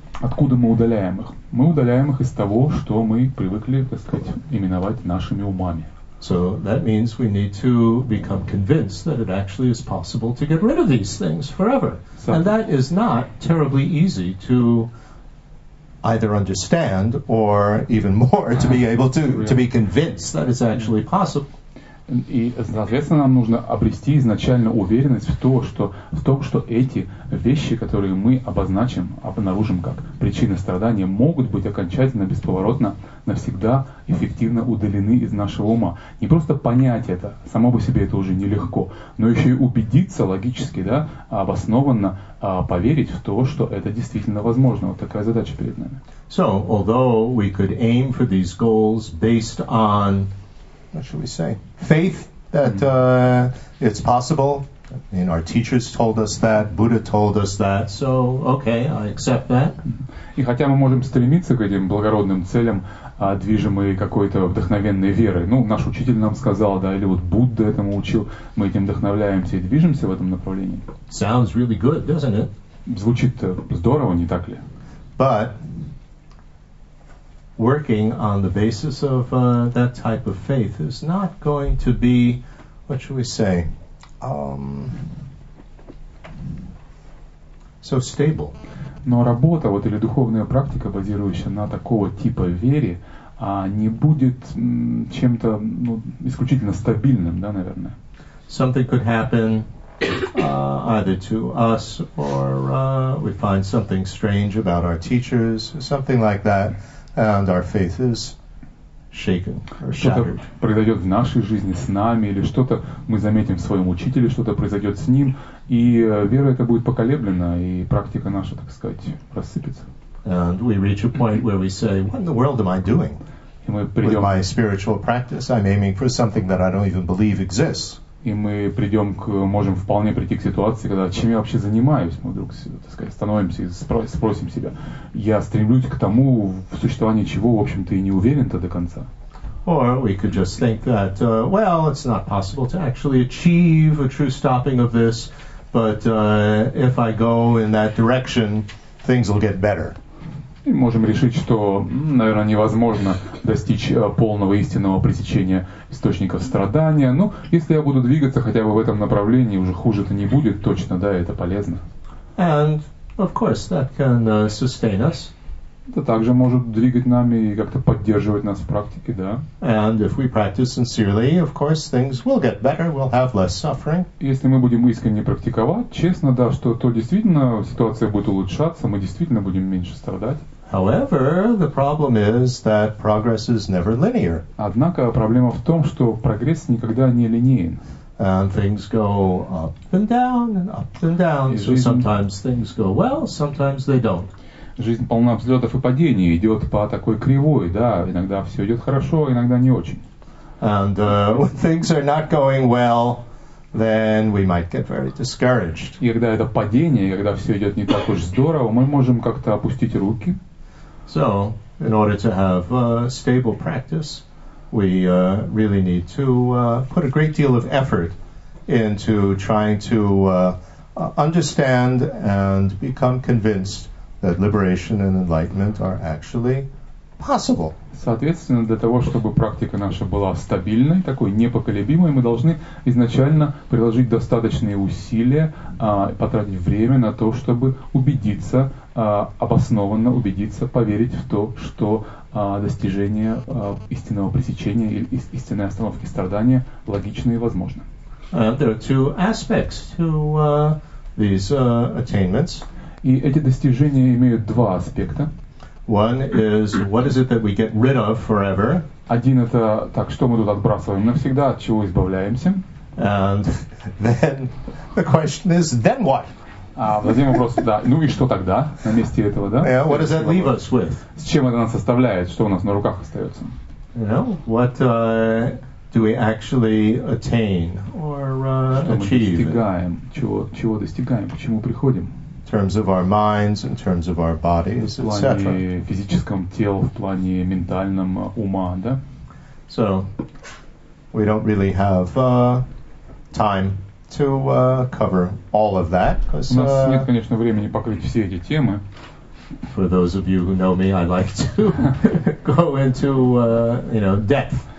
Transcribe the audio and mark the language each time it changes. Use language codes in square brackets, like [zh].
[ru] Откуда мы удаляем их? Мы удаляем их из того, что мы привыкли, так сказать, именовать нашими умами. [en] So that means we need to become convinced that it actually is possible to get rid of these things forever. And that is not terribly easy to either understand or even more to be able to be convinced that it's actually possible. [ru] И, соответственно, нам нужно обрести изначально уверенность в том, что эти вещи, которые мы обозначим, обнаружим как причины страдания, могут быть окончательно, бесповоротно, навсегда эффективно удалены из нашего ума. Не просто понять это, само по себе это уже нелегко, но еще и убедиться логически, да, обоснованно поверить в то, что это действительно возможно. Вот такая задача перед нами. [en] So, although we could aim for these goals based on, what should we say? Faith that it's possible. You know, our teachers told us that. Buddha told us that. So, okay, I accept that. [ru] И хотя мы можем стремиться к этим благородным целям, движимые какой-то вдохновенной верой. Ну, наш учитель нам сказал, да, или вот Будда этому учил. Мы этим вдохновляемся и движемся в этом направлении. [en] Sounds really good, doesn't it? [ru] Звучит здорово, не так ли? [en] But working on the basis of that type of faith is not going to be, what should we say, so stable. [ru] Но работа вот или духовная практика, базирующаяся на такого типа вере, не будет чем-то ну, исключительно стабильным, да, наверное. [en] Something could happen either to us or we find something strange about our teachers, something like that. And our faith is shaken or shattered. [ru] Что-то произойдет в нашей жизни с нами, или что-то мы заметим в своем учителе, что-то произойдет с ним, и вера эта будет поколеблена, и практика наша, так сказать, рассыпется. [en] And we reach a point where we say, what in the world am I doing? [ru] И мы придем... [en] With my spiritual practice, I'm aiming for something that I don't even believe exists. [ru] И мы придем к, можем вполне прийти к ситуации, когда чем я вообще занимаюсь, мы вдруг, так сказать, становимся и спросим себя, я стремлюсь к тому, в существовании чего, в общем-то, и не уверен-то до конца. [en] Or we could just think that, well, it's not possible to actually achieve a true stopping of this, but if I go in that direction, things will get better. [ru] И можем решить, что, наверное, невозможно достичь полного истинного пресечения источников страдания. Ну, если я буду двигаться хотя бы в этом направлении, уже хуже-то не будет, точно, да, это полезно. [en] And, of course, that can sustain us. [ru] Это также может двигать нами и как-то поддерживать нас в практике, да. [en] And if we practice sincerely, of course, things will get better, we'll have less suffering. [ru] Если мы будем искренне практиковать, честно, да, что то действительно ситуация будет улучшаться, мы действительно будем меньше страдать. [en] However, the problem is that progress is never linear. [ru] Однако проблема в том, что прогресс никогда не линеен. [en] And things go up and down and up and down. So sometimes things go well, sometimes they don't. [ru] Жизнь полна взлетов и падений, идет по такой кривой, да. Иногда все идет хорошо, иногда не очень. [en] And when things are not going well, then we might get very discouraged. [ru] И когда это падение, когда все идет не так уж здорово, мы можем как-то опустить руки. [en] So, in order to have stable practice, we really need to put a great deal of effort into trying to understand and become convinced that liberation and enlightenment are actually possible. [ru] Соответственно, для того, чтобы практика наша была стабильной, такой непоколебимой, мы должны изначально приложить достаточные усилия, потратить время на то, чтобы убедиться, обоснованно убедиться, поверить в то, что достижение истинного пресечения или истинной остановки страдания логично и возможно. [en] There are two aspects to these attainments. [ru] И эти достижения имеют два аспекта. [en] One is, what is it that we get rid of forever? [ru] Один это, так, что мы тут отбрасываем навсегда, от чего избавляемся? [en] And then, the question is, then what? [ru] Возьмем вопрос, да, ну и что тогда, на месте этого, да? [en] Yeah, what does that leave us with? [ru] С чем это нас оставляет, что у нас на руках остается? [en] You know, what do we actually attain or achieve? [ru] Что мы достигаем, чего достигаем, к чему приходим? [en] In terms of our minds, in terms of our bodies, etc. [ru] В плане физическом теле, в плане ментальном ума, да? [en] So, we don't really have time to cover all of that. [ru] У нас нет, конечно, времени покрыть все эти темы. [en] For those of you who know me, I like to go into, you know, depth.